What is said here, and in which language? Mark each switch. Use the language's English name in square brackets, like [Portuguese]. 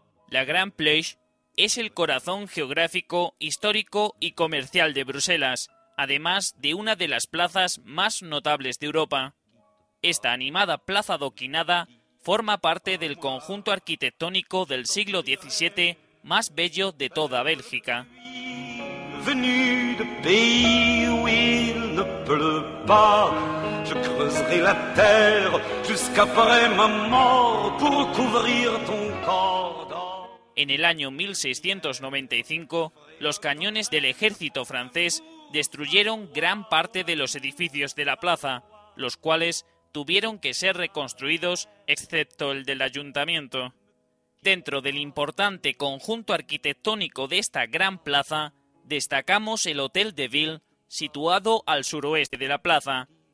[Spanish] La Grand Place es el corazón geográfico, histórico y comercial de Bruselas, además de una de las plazas más notables de Europa. Esta animada plaza adoquinada forma parte del conjunto arquitectónico del siglo XVII más bello de toda Bélgica. [French] Venu de pays où il ne pleut pas, je creuserai la terre jusqu'après ma mort pour couvrir ton corps. [Spanish] En el año 1695, los cañones del ejército francés destruyeron gran parte de los edificios de la plaza, los cuales tuvieron que ser reconstruidos excepto el del ayuntamiento. Dentro del importante conjunto arquitectónico de esta gran plaza, destacamos el Hotel de Ville, situado al suroeste de la plaza.